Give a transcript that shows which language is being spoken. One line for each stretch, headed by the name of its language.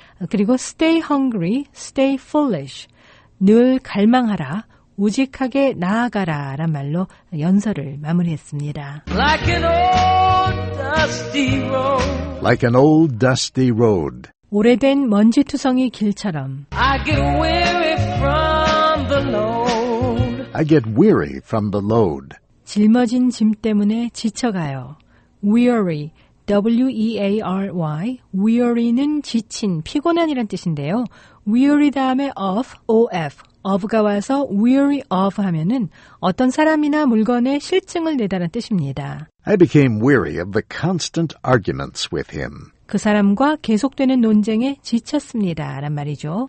Korean: 그리고
English: stay hungry, stay foolish,
Korean: 늘 갈망하라, 우직하게 나아가라 라는 말로 연설을 마무리했습니다.
English: Like an old dusty road. Like an old dusty road.
Korean: 오래된 먼지투성이 길처럼.
English: I get weary from the load. I get weary from the load.
Korean: 짊어진 짐 때문에 지쳐가요.
English: Weary, W-E-A-R-Y.
Korean: Weary는 지친, 피곤한이란 뜻인데요.
English: Weary 다음에 of, O-F.
Korean: of가 와서 weary of 하면은 어떤 사람이나 물건에 실증을 내다는 뜻입니다.
English: I became weary of the constant arguments with him.
Korean: 그 사람과 계속되는 논쟁에 지쳤습니다란 말이죠.